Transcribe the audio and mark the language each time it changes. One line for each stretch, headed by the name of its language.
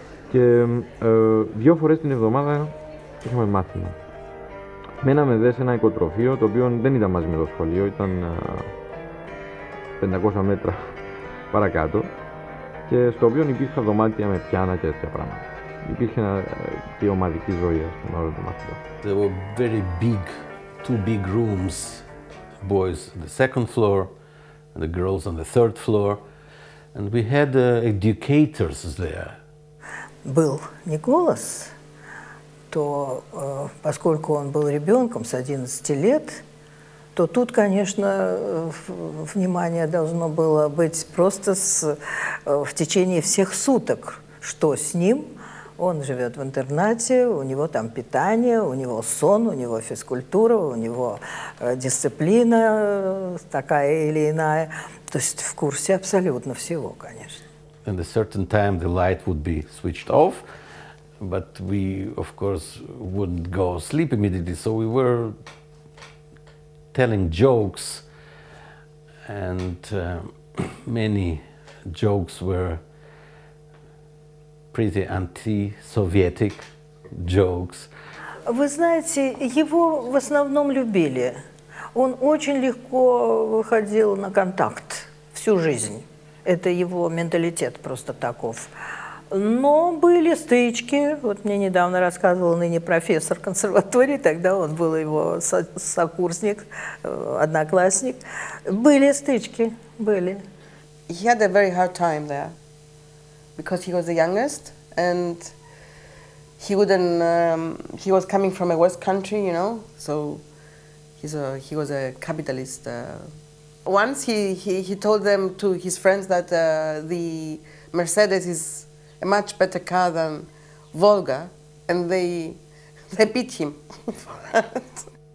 Greek: Και δύο φορές την εβδομάδα είχαμε μάθημα. Μέναμε δε σε ένα οικοτροφείο, το οποίο δεν ήταν μαζί με το σχολείο, ήταν 500 μέτρα παρακάτω, και στο οποίο υπήρχαν δωμάτια με πιάνα και τέτοια πράγματα. Υπήρχε και ομαδική ζωή, ας πούμε, όλο το μαθητό.
English: There were very big, two big rooms, boys on the second floor and the girls on the third floor, and we had educators there.
Russian: Был Николас, то поскольку он был ребенком с 11 лет, то тут, конечно, внимание должно было быть просто с, в течение всех суток, что с ним. Он живет в интернате, у него там питание, у него сон, у него физкультура, у него дисциплина такая или иная. То есть в курсе абсолютно всего, конечно.
English: And a certain time the light would be switched off, but we, of course, wouldn't go sleep immediately. So we were telling jokes, and many jokes were pretty anti-Soviet jokes.
Russian: Вы знаете, его в основном любили. Он очень легко выходил на контакт всю жизнь. Это его менталитет просто таков. Но были стычки. Вот мне недавно рассказывал ныне профессор консерватории, тогда он был его сокурсник, одноклассник. Были стычки, были.
English: He had a very hard time there, because he was the youngest, and he wouldn't. He was coming from a West country, you know. So he was a capitalist. Once he told them to his friends that the Mercedes is a much better car than Volga, and they beat him for that.